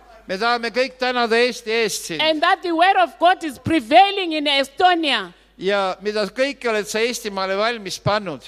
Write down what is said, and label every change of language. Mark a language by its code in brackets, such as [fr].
[et] Me tahame kõik tänada Eesti eest siin. [en] And that the word of God is prevailing in Estonia. [et] Ja mida kõik oled sa Eestimaale valmis pannud.